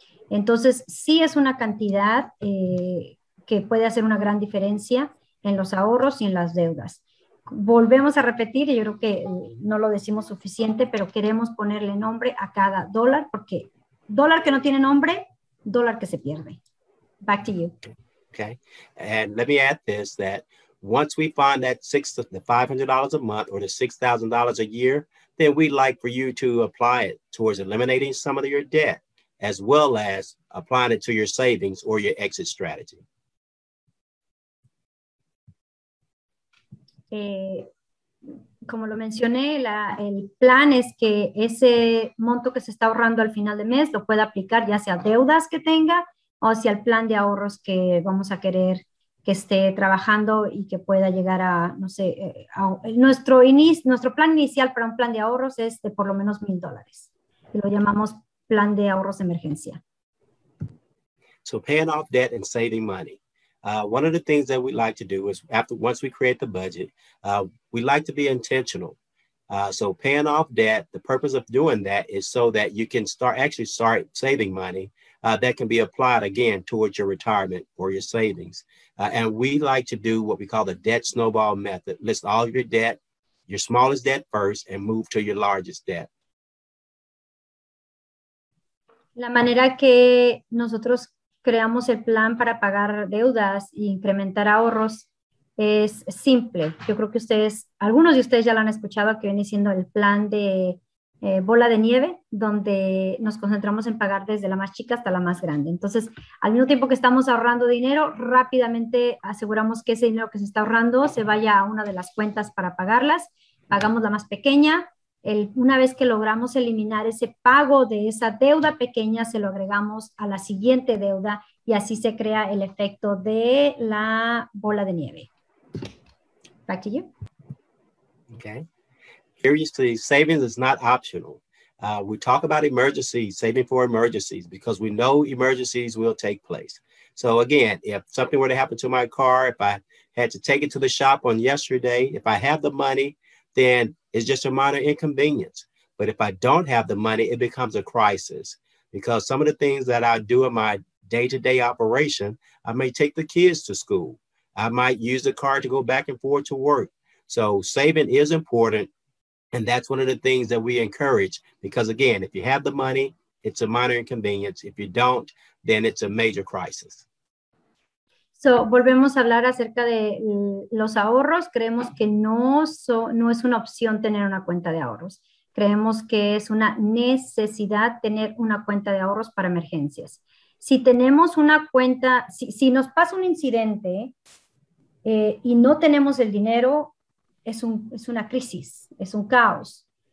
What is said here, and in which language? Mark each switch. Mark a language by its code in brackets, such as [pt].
[es] Entonces, sí es una cantidad que puede hacer una gran diferencia en los ahorros y en las deudas. Volvemos a repetir, y yo creo que no lo decimos suficiente, pero queremos ponerle nombre a cada dólar, porque dólar que no tiene nombre, dólar que se pierde. [en] Back to you. Okay, and let me add this, that once we find that $500 a month or the $6,000 a year, then we'd like for you to apply it towards eliminating some of your debt, as well as applying it to your savings or your exit strategy. [es] Como lo mencioné, el plan es que ese monto que se está ahorrando al final de mes lo pueda aplicar ya sea deudas que tenga o sea el plan de ahorros que vamos a querer que esté trabajando y que pueda llegar a, no sé, nuestro plan inicial para un plan de ahorros es de por lo menos $1,000. Lo llamamos plan de ahorros de emergencia. [en] So paying off debt and saving money. One of the things that we like to do is once we create the budget, we like to be intentional. So paying off debt, the purpose of doing that is so that you can start saving money that can be applied again towards your retirement or your savings. And we like to do what we call the debt snowball method. List all of your debt, your smallest debt first, and move to your largest debt. [es] La manera que nosotros creamos el plan para pagar deudas e incrementar ahorros es simple. Yo creo que algunos de ustedes ya lo han escuchado, que viene siendo el plan de bola de nieve, donde nos concentramos en pagar desde la más chica hasta la más grande. Entonces, al mismo tiempo que estamos ahorrando dinero, rápidamente aseguramos que ese dinero que se está ahorrando se vaya a una de las cuentas para pagarlas. Pagamos la más pequeña. Una vez que logramos eliminar ese pago de esa deuda pequeña, se lo agregamos a la siguiente deuda y así se crea el efecto de la bola de nieve. [en] Back to you. Okay. Here you see, savings is not optional. We talk about emergencies, saving for emergencies, because we know emergencies will take place. So again, if something were to happen to my car, if I had to take it to the shop on yesterday, if I have the money, then it's just a minor inconvenience. But if I don't have the money, it becomes a crisis because some of the things that I do in my day-to-day operation, I may take the kids to school. I might use the car to go back and forth to work. So saving is important. And that's one of the things that we encourage because again, if you have the money, it's a minor inconvenience. If you don't, then it's a major crisis. [es] So, volvemos a hablar acerca de los ahorros. Creemos que no es una opción tener una cuenta de ahorros. Creemos que es una necesidad tener una cuenta de ahorros para emergencias. Si tenemos una cuenta, si nos pasa un incidente y no tenemos el dinero, es una crisis, es un caos.